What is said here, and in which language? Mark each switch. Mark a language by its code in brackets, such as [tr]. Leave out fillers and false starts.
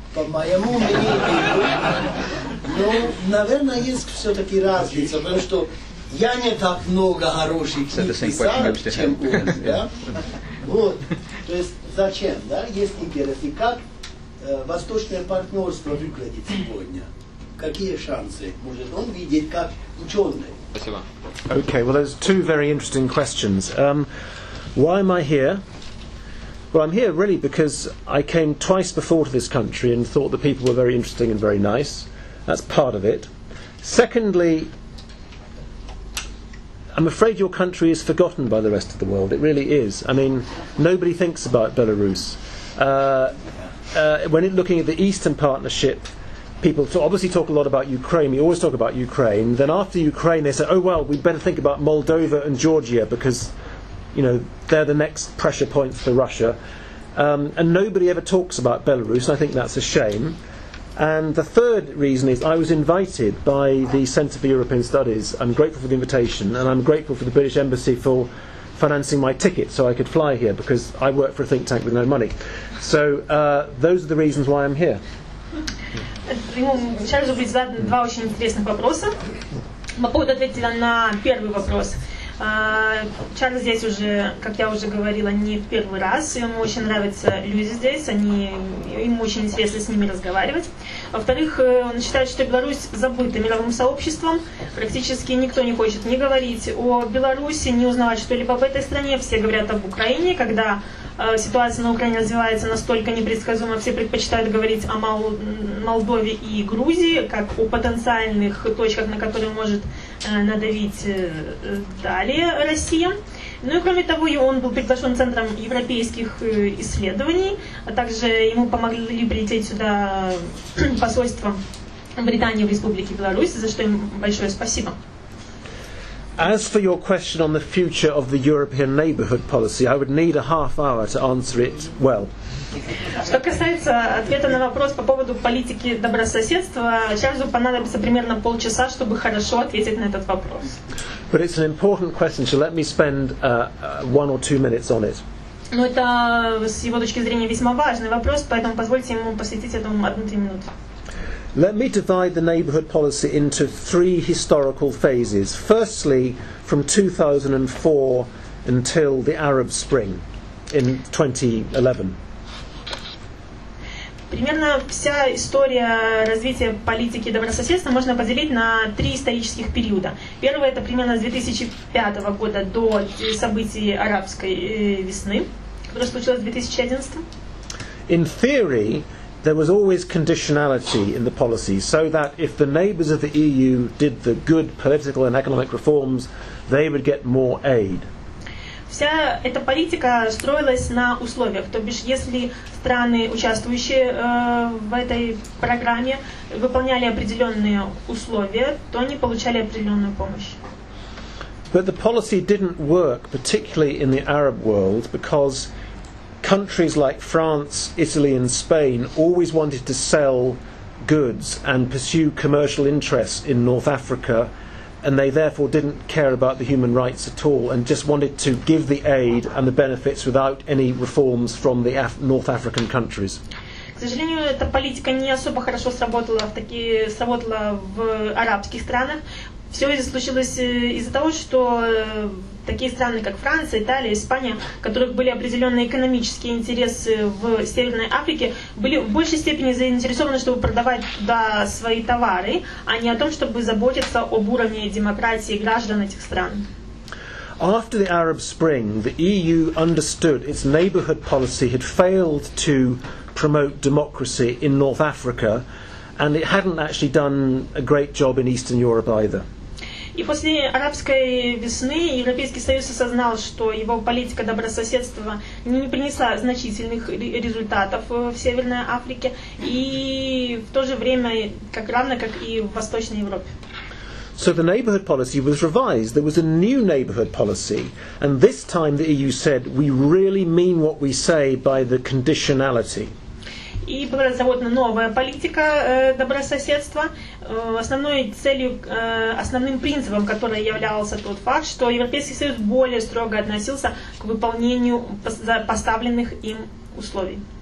[ru] По моему мнению, ну, наверное, есть все-таки разница, потому что я не так много хороших книг писал, чем он, да? Вот, то есть зачем, да, есть интерес, и как восточное партнерство выглядит сегодня? [en] Okay, well, those are two very interesting questions. Why am I here? Well, I'm here really because I came twice before to this country and thought the people were very interesting and very nice. That's part of it. Secondly, I'm afraid your country is forgotten by the rest of the world. It really is. I mean, nobody thinks about Belarus. When looking at the Eastern Partnership, people obviously talk a lot about Ukraine. We always talk about Ukraine. Then after Ukraine, they say, oh, well, we'd better think about Moldova and Georgia because, you know, they're the next pressure points for Russia. And nobody ever talks about Belarus. And I think that's a shame. And the third reason is I was invited by the Centre for European Studies. I'm grateful for the invitation. And I'm grateful for the British Embassy for financing my ticket so I could fly here because I work for a think tank with no money. So those are the reasons why I'm here. [ru] Ему сейчас будет задан два очень интересных вопроса. Могу ответить на первый вопрос. Чарльз здесь уже, как я уже говорила, не в первый раз. Ему очень нравятся люди здесь, им очень интересно с ними разговаривать. Во-вторых, он считает, что Беларусь забыта мировым сообществом. Практически никто не хочет ни говорить о Беларуси, ни узнавать что-либо об этой стране. Все говорят об Украине, когда ситуация на Украине развивается настолько непредсказуемо, все предпочитают говорить о Молдове и Грузии как о потенциальных точках, на которые может надавить далее Россия. Ну и кроме того, он был приглашен Центром европейских исследований, а также ему помогли прилететь сюда посольство Британии в Республике Беларусь, за что им большое спасибо. [en] As for your question on the future of the European neighborhood policy, I would need a half hour to answer it well. [ru] Что касается ответа на вопрос по поводу политики добрососедства, сейчас понадобится примерно полчаса, чтобы хорошо ответить на этот вопрос. [en] But it's an important question, so let me spend one or two minutes on it. [ru] Но это с его точки зрения весьма важный вопрос, поэтому позвольте ему посвятить этому 1-3 минуты. [en] Let me divide the neighborhood policy into three historical phases. Firstly, from 2004 until the Arab Spring in 2011. [ru] Примерно вся история развития политики добрососедства можно поделить на три исторических периода. Первый – это примерно с 2005 года до событий арабской весны, которое случилось в 2011. [en] In theory, there was always conditionality in the policy, so that if the neighbors of the EU did the good political and economic reforms, they would get more aid. [ru] Вся эта политика строилась на условиях, то бишь, если страны, участвующие в этой программе, выполняли определенные условия, то они получали определенную помощь. [en] But the policy didn't work, particularly in the Arab world, because countries like France, Italy and Spain always wanted to sell goods and pursue commercial interests in North Africa, and they therefore didn't care about the human rights at all and just wanted to give the aid and the benefits without any reforms from the North African countries. [ru] К сожалению, эта политика не особо хорошо сработала в арабских странах. Все это случилось из-за того, что такие страны, как Франция, Италия, Испания, у которых были определенные экономические интересы в Северной Африке, были в большей степени заинтересованы, чтобы продавать туда свои товары, а не о том, чтобы заботиться об уровне демократии граждан этих стран. [en] After the Arab Spring, the EU understood its neighborhood policy had failed to promote democracy in North Africa, and it hadn't actually done a great job in Eastern Europe either. [ru] И после арабской весны Европейский Союз осознал, что его политика добрососедства не принесла значительных результатов в Северной Африке и в то же время, как равно, как и в Восточной Европе. [en] So the neighborhood policy was revised. There was a new neighborhood policy. And this time the EU said, we really mean what we say by the conditionality. [ru] И была разработана новая политика добрососедства. Основной целью, основным принципом, который являлся тот факт, что Европейский Союз более строго относился к выполнению поставленных им условий.